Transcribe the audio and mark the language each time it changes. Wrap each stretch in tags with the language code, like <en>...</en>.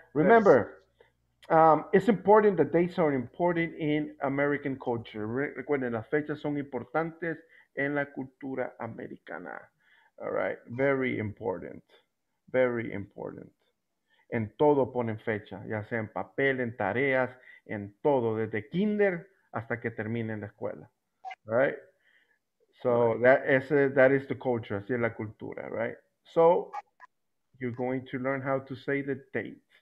<en>Remember, it's important, the dates are important in American culture.</en> <es>Recuerden, las fechas son importantes en la cultura americana.</es> <en>All right, very important. Very important.</en> <es>En todo ponen fecha, ya sea en papel, en tareas, en todo, desde kinder hasta que terminen la escuela.</es> <en>All right? So, that is the culture,</en> <es>así es la cultura,</es> <en>right? So, you're going to learn how to say the date.</en>